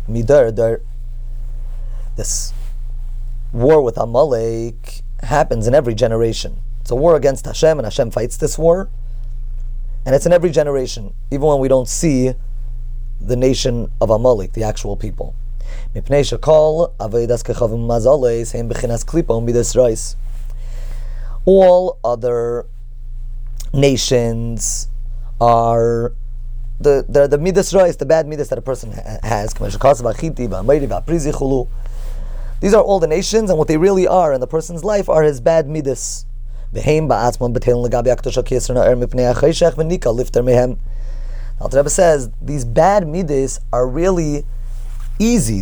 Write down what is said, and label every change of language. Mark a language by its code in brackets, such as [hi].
[en] This war with Amalek happens in every generation. It's a war against Hashem, and Hashem fights this war. And it's in every generation, even when we don't see the nation of Amalek, the actual people. [he] מפני שכל עבודת כוכב ומזלות הם בחינת קליפה ומדות רעות. [en] All other nations are the midas rois, the bad midas that a person has. [he] כמו שכתוב החתי והאמורי והפריזי וכולו. [en] These are all the nations, and what they really are in the person's life are his bad midas. [he] והם בעצמן בטילין לגבי הקדושה כיתרון האור מפני החשך ונקל לפטור מהם. [en] The Alter Rebbe says these bad midas are really easy.